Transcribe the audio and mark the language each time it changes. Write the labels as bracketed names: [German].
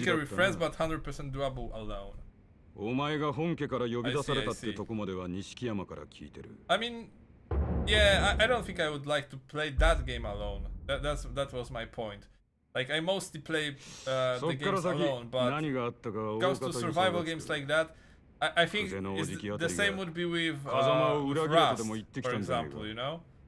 [English] can refresh but 100% doable alone. [Japanese] お前が本家から呼び出されたってとこまでは錦山から聞いてる。 [English] I mean, yeah, I don't think I would like to play that game alone. That was my point. Like, I mostly play the games alone, but goes to survival games like that. I think the same would be with Rust, for example, you know?